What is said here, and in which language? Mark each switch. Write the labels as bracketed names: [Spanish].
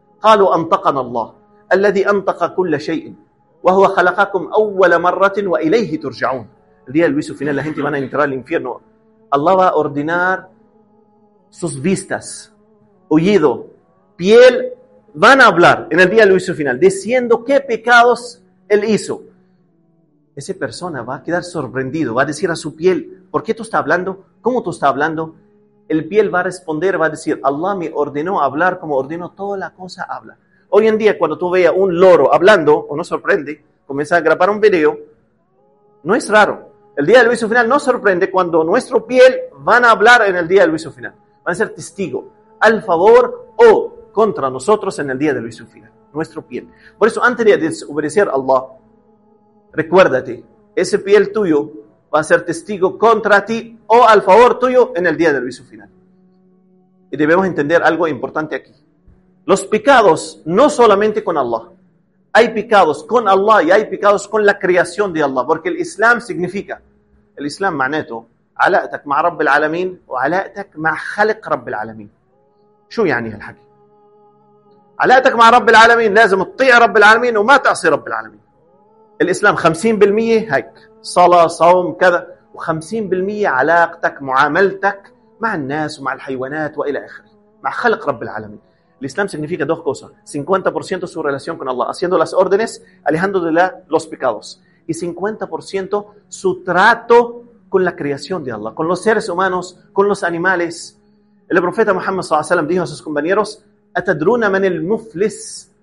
[Arabic] قَالُوا أَنطَقَنَا اللَّهُ الذي أنطق كل شيء وهو خلقكم أول مرة وإليه ترجعون. الدنيا الويسو فينا لا هنتي وانا ينترى الانفيرنو. [Spanish] الله va a ordenar sus vistas, oído, piel, van a hablar en el día del juicio final, diciendo qué pecados él hizo. Esa persona va a quedar sorprendido, va a decir a su piel, ¿por qué tú estás hablando? ¿Cómo tú estás hablando? El piel va a responder, va a decir, Allah me ordenó hablar como ordenó toda la cosa habla. Hoy en día, cuando tú veas un loro hablando, o no sorprende, comienza a grabar un video, no es raro. El día del juicio final no sorprende cuando nuestro piel van a hablar en el día del juicio final. Van a ser testigo al favor o contra nosotros en el día del juicio final, nuestro piel. Por eso, antes de desobedecer a Allah, recuérdate, ese piel tuyo va a ser testigo contra ti o al favor tuyo en el día del juicio final. Y debemos entender algo importante aquí. Los pecados, no solamente con Allah. Hay pecados con Allah y hay pecados con la creación de Allah. Porque el Islam significa, el Islam ma'neto, [Arabic] علاقتك مع رب العالمين [Spanish] وعلاقتك مع خلق رب العالمين. [Arabic] شو يعني هالحكي؟ علاقتك مع رب العالمين لازم تطيع رب العالمين وما تعصي رب العالمين. الإسلام 50% هيك صلاة صوم كذا، و 50% علاقتك معاملتك مع الناس ومع الحيوانات وإلى آخره مع خلق رب العالمين. [Spanish] الإسلام significa dos cosas: 50% su relación con Allah haciendo las órdenes, alejando de los pecados, y 50% su trato con la creación de Allah, con los seres humanos, con los animales. El profeta Muhammad sallallahu alaihi wasallam dijo a sus compañeros: [Arabic] "Atadruna man el muflis?"